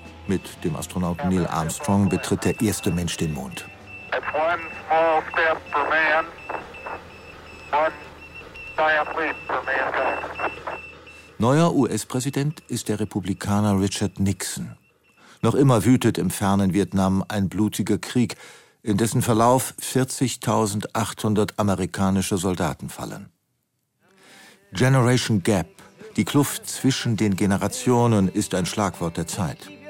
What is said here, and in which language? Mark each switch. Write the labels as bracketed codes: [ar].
[de] Mit dem Astronauten Neil Armstrong betritt der erste Mensch den Mond. [en] It's one small step for man, one giant leap for mankind. [de] Neuer US-Präsident ist der Republikaner Richard Nixon. Noch immer wütet im fernen Vietnam ein blutiger Krieg, in dessen Verlauf 40.800 amerikanische Soldaten fallen. Generation Gap. Die Kluft zwischen den Generationen ist ein Schlagwort der Zeit.